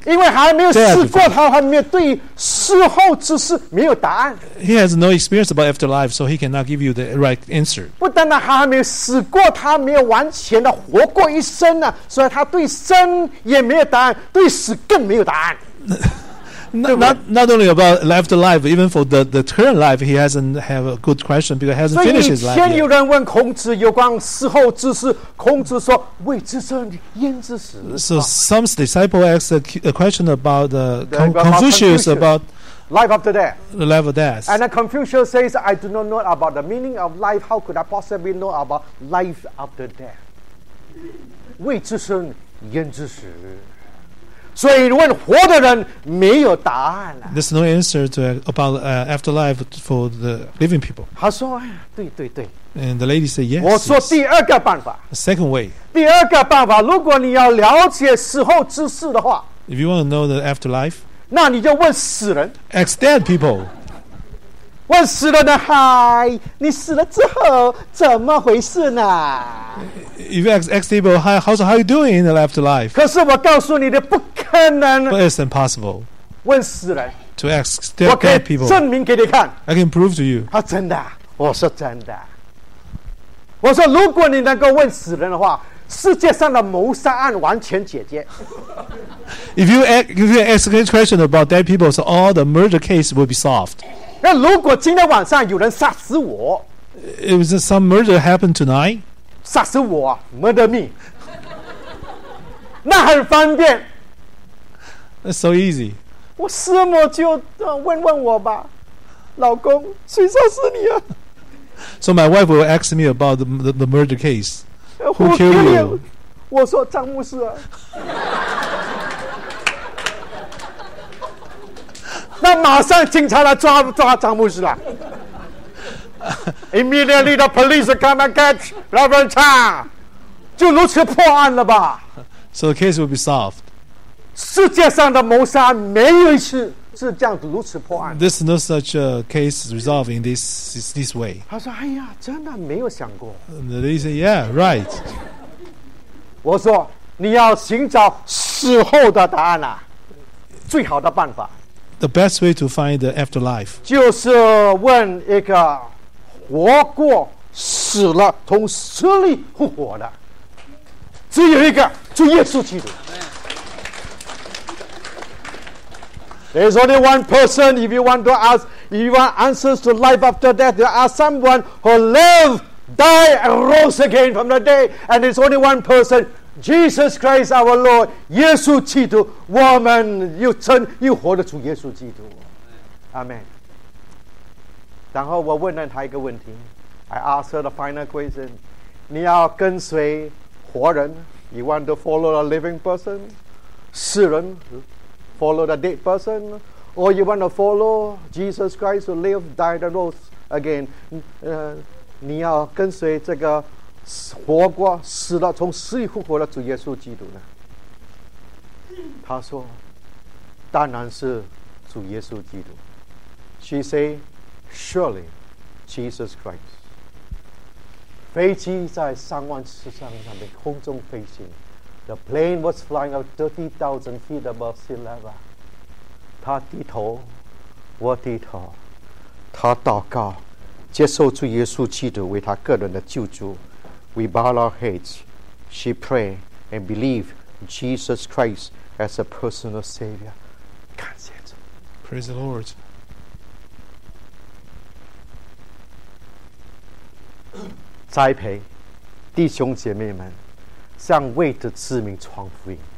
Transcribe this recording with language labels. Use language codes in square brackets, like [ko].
[zh] 因为还没有死过，他还没有对死后之事没有答案。 [en] He has no experience about afterlife, so he cannot give you the right answer. [zh] 不单单他还没有死过，他没有完全的活过一生呢，所以他对生也没有答案，对死更没有答案。 [en] Not only about left life, even for the current life, he hasn't have a good question because he hasn't finished his life. [zh] 所以以前有人问孔子有关死后之事，孔子说：“未知生，焉知死。” [en] So some disciple asked a question about Confucius about life after death. The life of death. And Confucius says, "I do not know about the meaning of life. How could I possibly know about life after death? [zh] 未知生，焉知死。" 所以问活的人没有答案了。 [en] There's no answer to about afterlife for the living people. [zh] 他说，对对对。 [en] And the lady said yes. [zh] 我说第二个办法。 [en] The second way. [zh] 第二个办法，如果你要了解死后之事的话 [en] ，If you want to know the afterlife, [zh] 那你就问死人。 [en] Ask dead people. [zh] 问死人的嗨，你死了之后怎么回事呢？ [en] If you ask people, how are you doing in the afterlife? [zh] 可是我告诉你的不可能。 [en] But it's impossible. [zh] 问死人。 [en] To ask dead people. [zh] 证明给你看。 [en] I can prove to you. [zh] 他真的，我说真的。我说如果你能够问死人的话，世界上的谋杀案完全解决。 [en] If you ask a question about dead people, so all the murder case will be solved. [zh] 那如果今天晚上有人杀死我 [en] ？If some murder happened tonight. [zh] 杀死我 ， [en] murder me， [zh] 那很方便。 [en] So easy。 [zh] 我师母就问问我吧，老公，谁杀死你啊 [en] ？So my wife will ask me about the murder case. Who killed you? [zh] 我说张牧师啊。那马上警察来抓张牧师了。 [en] Immediately, the police come and catch Reverend Chan. [zh] 就如此破案了吧 [en] ？So the case will be solved. [zh] 世界上的谋杀没有一次是这样如此破案。 [en] There's no such a case resolved in this way. [zh] 他说：“哎呀，真的没有想过。 [en] ”They say, "Yeah, right." [zh] 我说：“你要寻找死后的答案啊，最好的办法。 [en] ”The best way to find the afterlife [zh] 就是问一个。活过死了，从死里复活的，只有一个，就耶稣基督。 [en] There's only one person. If you want to ask, if you want answers to life after death, you ask someone who lived, died, and rose again from the dead. And there's only one person, Jesus Christ, our Lord, [zh] 耶稣基督，我们又真又活的主耶稣基督。 [en] Amen. [zh] 然后我问了他一个问题 [en] ，I asked her the final question: [zh] 你要跟随活人 [en] ？You want to follow a living person? [zh] 死人 [en] ？Follow the dead person? Or you want to follow Jesus Christ who lived, died, and rose again? [zh] 你要跟随这个活过、死了、从死里复活的主耶稣基督呢？他说：“当然是主耶稣基督。 [en] ”She said. Surely, Jesus Christ. [zh] 飞机在三万尺上上面空中飞行 [en] ，The plane was flying at 30,000 feet above sea level. [zh] 他低头，我低头，他祷告，接受主耶稣基督为他个人的救主。 [en] We bow our heads. She prayed and believed Jesus Christ as a personal savior. [zh] 感谢主。 [en] Praise the Lord. [zh] 栽培弟兄姐妹们向未得之民传福音